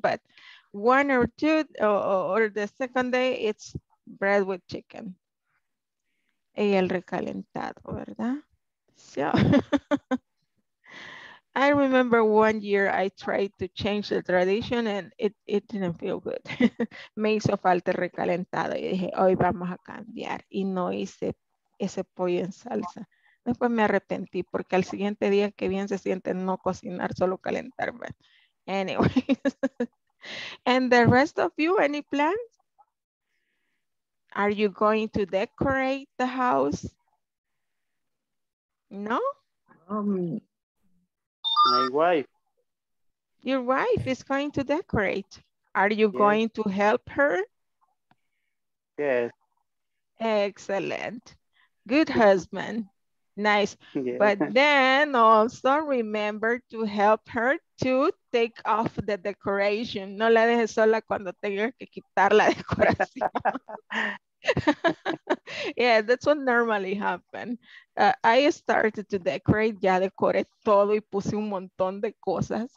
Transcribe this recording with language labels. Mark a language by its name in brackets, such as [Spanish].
[English] But one or two, or the second day, it's bread with chicken. [Spanish] Y el recalentado, ¿verdad? [English] So, I remember one year I tried to change the tradition and it didn't feel good. [Spanish] Me hizo falta el recalentado. Y dije, hoy vamos a cambiar. Y no hice ese pollo en salsa. Después me arrepentí porque al siguiente día que bien se siente no cocinar, solo calentar. [English] But anyways, and the rest of you, any plans? Are you going to decorate the house? No? My wife. Your wife is going to decorate. Are you going to help her? Yes. Excellent. Good husband. Nice. Yeah. But then also remember to help her to take off the decoration. [Spanish] No la dejes sola cuando tengas que quitar la decoración. [English] Yeah, that's what normally happens. I started to decorate. [Spanish] Ya decoré todo y puse un montón de cosas.